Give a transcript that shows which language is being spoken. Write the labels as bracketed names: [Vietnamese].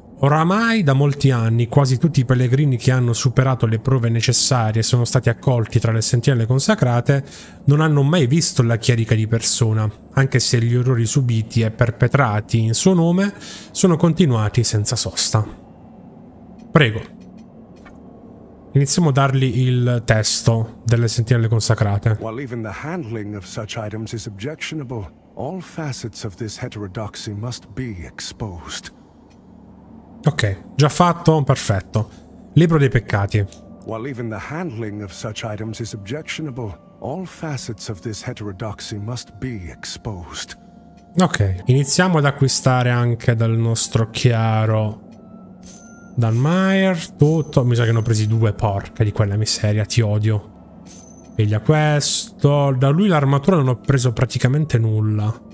[Italian] Oramai da molti anni, quasi tutti i pellegrini che hanno superato le prove necessarie e sono stati accolti tra le sentinelle consacrate non hanno mai visto la chierica di persona, anche se gli orrori subiti e perpetrati in suo nome sono continuati senza sosta. Prego. Iniziamo a dargli il testo delle sentinelle consacrate. [English] While even the handling of such items is objectionable, all facets of this heterodoxy must be exposed. [Italian] Ok, già fatto, perfetto. Libro dei peccati. [English] While even the handling of such items is objectionable, all facets of this heterodoxy must be exposed. [Italian] Ok, iniziamo ad acquistare anche dal nostro chiaro Danmeyer tutto. Mi sa che ne ho presi due, porca di quella miseria, ti odio. Piglia questo. Da lui l'armatura non ho preso praticamente nulla.